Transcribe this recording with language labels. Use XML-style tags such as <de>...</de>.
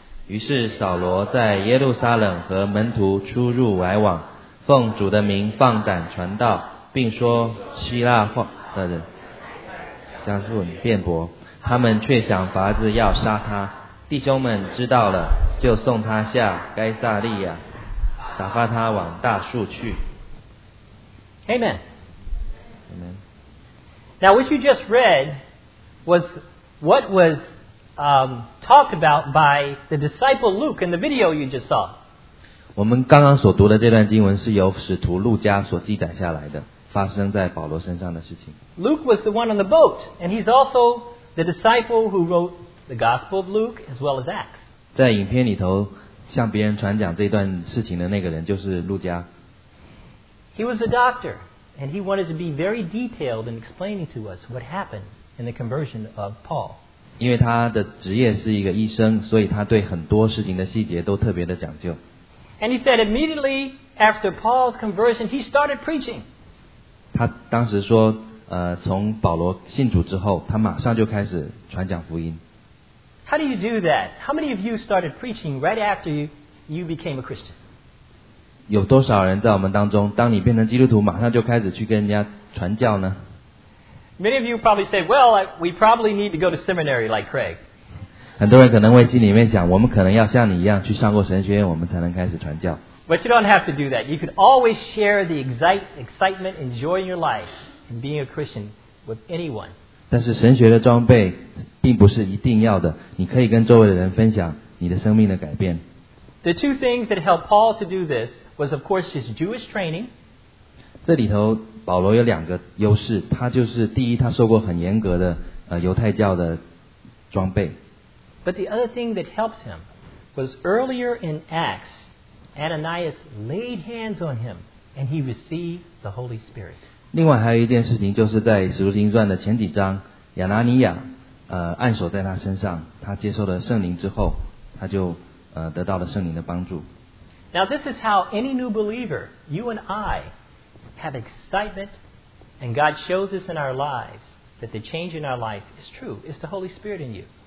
<zh>于是扫罗在耶路撒冷和门徒出入来往，奉主的名放胆传道，并说希腊话的人，加速辩驳，他们却想法子要杀他。弟兄们知道了。就送他下该撒利亚，打发他往大树去。</zh> <en>Amen. Amen. Now, what you just read was what was talked about by the disciple Luke in the video you just saw.</en> <zh>我们刚刚所读的这段经文是由使徒路加所记载下来的，发生在保罗身上的事情。</zh> <en>Luke was the one on the boat, and he's also the disciple who wrote the Gospel of Luke as well as Acts.</en> <zh>在影片里头向别人传讲这段事情的那个人就是路加。</zh> <en>He was a doctor, and he wanted to be very detailed in explaining to us what happened in the conversion of Paul.</en> <zh>因为他的职业是一个医生，所以他对很多事情的细节都特别的讲究。</zh> <en>And he said immediately after Paul's conversion, he started preaching.</en> <zh>他当时说，从保罗信主之后，他马上就开始传讲福音。</zh> <en>How do you do that? How many of you started preaching right after you became a Christian?</en> <zh>有多少人在我们当中，当你变成基督徒，马上就开始去跟人家传教呢？</zh> <en>Many of you probably say, well, we probably need to go to seminary like Craig.</en> <zh>很多人可能会心里面想，我们可能要像你一样去上过神学院，我们才能开始传教。</zh> <en>But you don't have to do that. You could always share the excitement and joy in your life and being a Christian with anyone.</en> <zh>但是神学的装备并不是一定要的，你可以跟周围的人分享你的生命的改变。</zh> <en>The two things that helped Paul to do this was, of course, his Jewish training.</en> <zh>这里头保罗有两个优势，他就是第一，他受过很严格的犹太教的装备。</zh> <en>But the other thing that helps him was earlier in Acts, Ananias laid hands on him and he received the Holy Spirit.</en> <zh>另外还有一件事情，就是在《使徒行传》的前几章，亚拿尼亚，按手在他身上，他接受了圣灵之后，他就得到了圣灵的帮助。</zh> <en>Now this is how any new believer, you and I, have excitement, and God shows us in our lives that the change in our life is true. It's the Holy Spirit in you.</en>